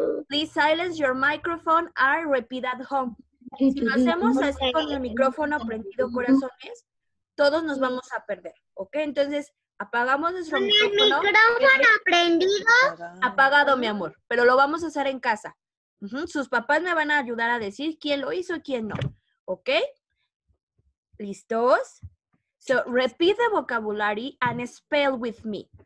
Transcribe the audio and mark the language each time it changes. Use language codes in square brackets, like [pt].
[en] Please silence your microphone and repeat at home. [es] Si lo hacemos así con el micrófono prendido, corazones, todos nos vamos a perder, ¿ok? Entonces, apagamos nuestro micrófono. ¿Con el micrófono prendido? Apagado, mi amor, pero lo vamos a hacer en casa. Sus papás me van a ayudar a decir quién lo hizo y quién no, ¿ok? ¿Listos? [en] So, repeat the vocabulary and spell with me.